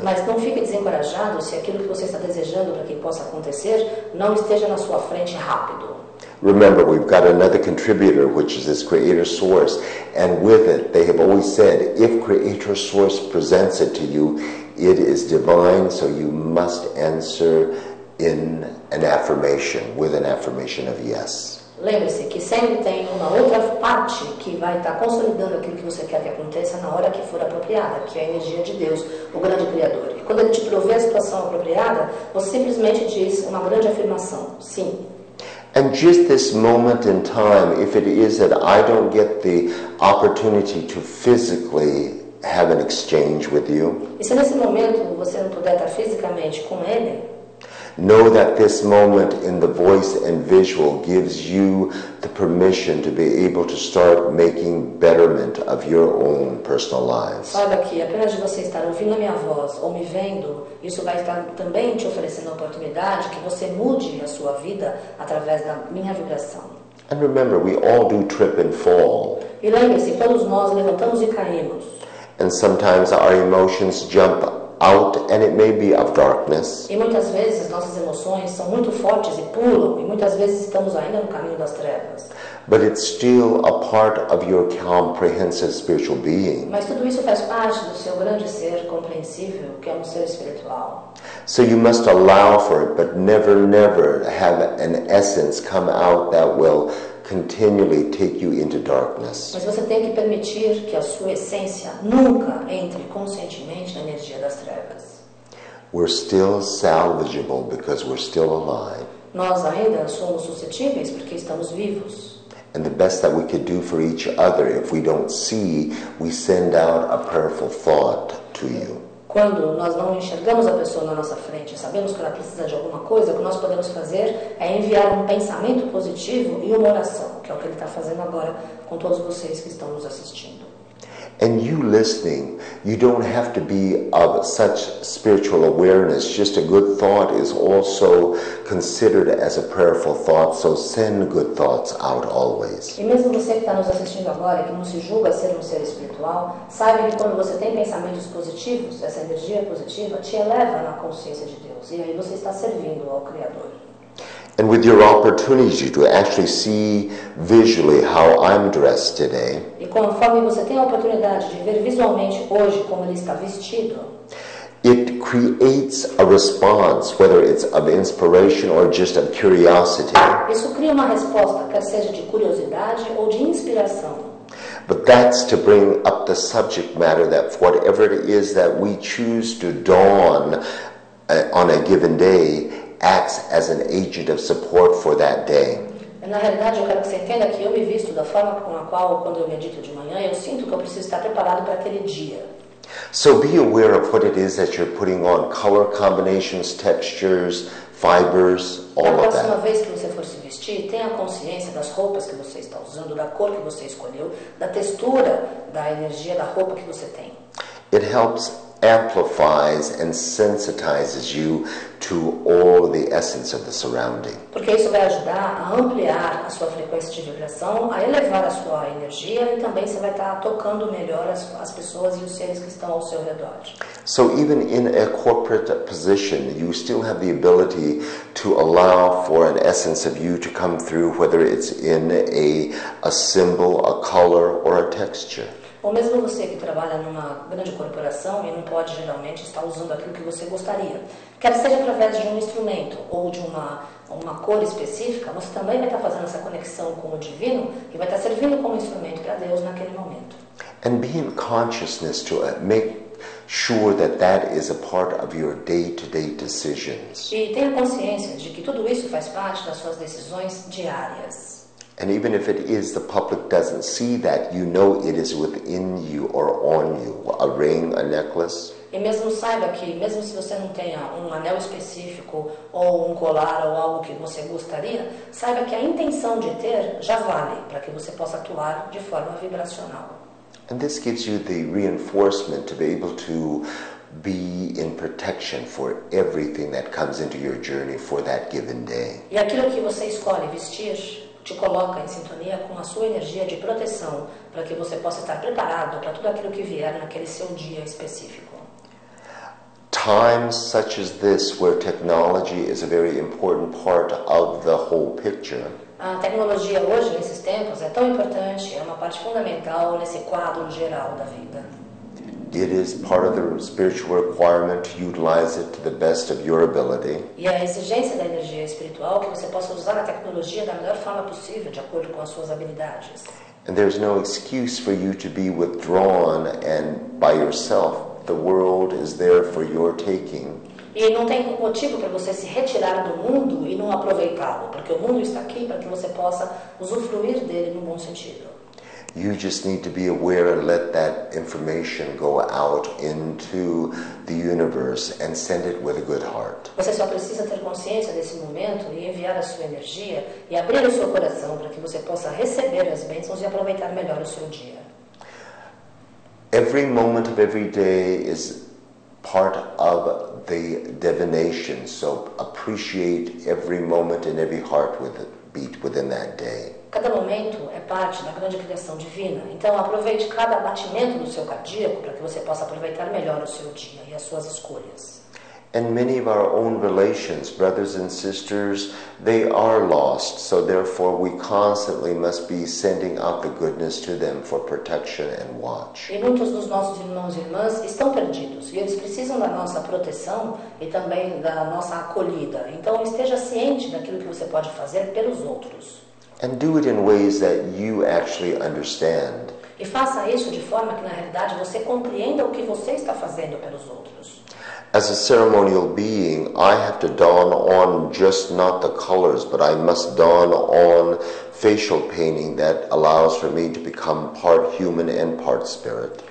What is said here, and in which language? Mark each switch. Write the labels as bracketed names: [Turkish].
[Portuguese] Mas não fique desencorajado se aquilo que você está desejando para que possa acontecer não esteja na sua frente rápido. [English] Remember, we've got another contributor, which is this creator source, and with it, they have always said, if creator source presents it to you, it is divine, so you must answer in an affirmation, with an affirmation of yes. [Portuguese] Lembre-se que sempre tem uma outra parte que vai estar consolidando aquilo que você quer que aconteça na hora que for apropriada, que é a energia de Deus, o grande criador. E quando ele te provê a situação apropriada, você simplesmente diz uma grande afirmação, sim. [English] And just this moment in time, if it is that I don't get the opportunity to physically have an exchange with you, [Portuguese] e se nesse momento você não puder estar fisicamente com ele, [English] know that this moment in the voice and visual gives you the permission to be able to start making betterment of your own personal lives. [Portuguese] Saiba que apenas de você estar ouvindo a minha voz ou me vendo, isso vai estar também te oferecendo a oportunidade que você mude a sua vida através da minha vibração. [English] And remember, we all do trip and fall. [Portuguese] E lembre-se, todos nós levantamos e caímos. [English] And sometimes our emotions jump out, and it may be of darkness. [Portuguese] E muitas vezes as nossas emoções são muito fortes e pulam, e muitas vezes estamos ainda no caminho das trevas. [English] But it's still a part of your comprehensive spiritual being. [Portuguese] Mas tudo isso faz parte do seu grande ser compreensível, que é um ser espiritual. [English] So you must allow for it, but never, never have an essence come out that will continually take you into darkness. [Portuguese] Mas você tem que permitir que a sua essência nunca entre conscientemente na energia das trevas. [English] We're still salvageable because we're still alive. [Portuguese] Nós ainda somos suscetíveis porque estamos vivos. [English] And the best that we could do for each other, if we don't see, we send out a prayerful thought to you. [Portuguese] Quando nós não enxergamos a pessoa na nossa frente, sabemos que ela precisa de alguma coisa, o que nós podemos fazer é enviar um pensamento positivo e uma oração, que é o que ele está fazendo agora com todos vocês que estão nos assistindo. [English] And you listening, you don't have to be of such spiritual awareness. Just a good thought is also considered as a prayerful thought. So send good thoughts out always. [Portuguese] E mesmo você que está nos assistindo agora, que não se julga ser um ser espiritual, saiba que quando você tem pensamentos positivos, essa energia positiva te eleva na consciência de Deus. E aí você está servindo ao Criador. [English] And with your opportunity to actually see visually how I'm dressed today, [Portuguese] e conforme você tem a oportunidade de ver visualmente hoje como ele está vestido, [English] it creates a response, whether it's of inspiration or just of curiosity. [Portuguese] Isso cria uma resposta, quer seja de curiosidade ou de inspiração. [English] But that's to bring up the subject matter that whatever it is that we choose to dawn on a given day acts as an agent of support for that day. [Portuguese] Na realidade, eu quero que você entenda que eu me visto da forma com a qual, quando eu medito de manhã, eu sinto que eu preciso estar preparado para aquele dia. [English] So be aware of what it is that you're putting on, color combinations, textures, fibers, all of that. [Portuguese] Na próxima vez que você for se vestir, tenha consciência das roupas que você está usando, da cor que você escolheu, da textura, da energia da roupa que você tem. [English] It helps amplifies and sensitizes you to all the essence of the surrounding. [Portuguese] Porque isso vai ajudar a ampliar a sua frequência de vibração, a elevar a sua energia e também você vai estar tocando melhor as pessoas e os seres que estão ao seu redor. [English] So even in a corporate position, you still have the ability to allow for an essence of you to come through, whether it's in a symbol, a color, or a texture. [Portuguese] Ou mesmo você que trabalha numa grande corporação e não pode geralmente estar usando aquilo que você gostaria, quer seja através de um instrumento ou de uma cor específica, você também vai estar fazendo essa conexão com o divino e vai estar servindo como instrumento para Deus naquele momento. [English] And be in consciousness to make sure that that is a part of your day-to-day decisions. [Portuguese] E tenha consciência de que tudo isso faz parte das suas decisões diárias. [English] And even if it is, the public doesn't see that, you know it is within you or on you, a ring, a necklace. [Portuguese] E mesmo saiba que, mesmo se você não tenha anel específico, ou colar, ou algo que você gostaria, saiba que a intenção de ter já vale, para que você possa atuar de forma vibracional. [English] And this gives you the reinforcement to be able to be in protection for everything that comes into your journey for that given day. [Portuguese] E aquilo que você escolhe vestir te coloca em sintonia com a sua energia de proteção para que você possa estar preparado para tudo aquilo que vier naquele seu dia específico. [English] Times such as this, where technology is a very important part of the whole picture. [Portuguese] A tecnologia hoje, nesses tempos, é tão importante, é uma parte fundamental nesse quadro geral da vida. [English] It is part of the spiritual requirement to utilize it to the best of your ability. [Portuguese] E a exigência da energia espiritual que você possa usar a tecnologia da melhor forma possível, de acordo com as suas habilidades. [English] And there's no excuse for you to be withdrawn and by yourself. The world is there for your taking. [Portuguese] E não tem motivo para você se retirar do mundo e não aproveitá-lo, porque o mundo está aqui para que você possa usufruir dele no bom sentido. [English] You just need to be aware and let that information go out into the universe and send it with a good heart. [Portuguese] Você só precisa ter consciência desse momento e enviar a sua energia e abrir o seu coração para que você possa receber as bênçãos e aproveitar melhor o seu dia. [English] Every moment of every day is part of the divination, so appreciate every moment and every heart with it. Beat within that day. [Portuguese] Cada momento é parte da grande criação divina. Então aproveite cada batimento do seu cardíaco para que você possa aproveitar melhor o seu dia e as suas escolhas. [English] And many of our own relations, brothers and sisters, they are lost. So therefore we constantly must be sending out the goodness to them for protection and watch. [Portuguese] E muitos dos nossos irmãos e irmãs estão perdidos e eles precisam da nossa proteção e também da nossa acolhida. Então esteja ciente daquilo que você pode fazer pelos outros. [English] And do it in ways that you actually understand. [Portuguese] E faça isso de forma que na realidade você compreenda o que você está fazendo pelos outros. [English] As a ceremonial being, I have to don on just not the colors, but I must don on facial painting that allows for me to become part human and part spirit.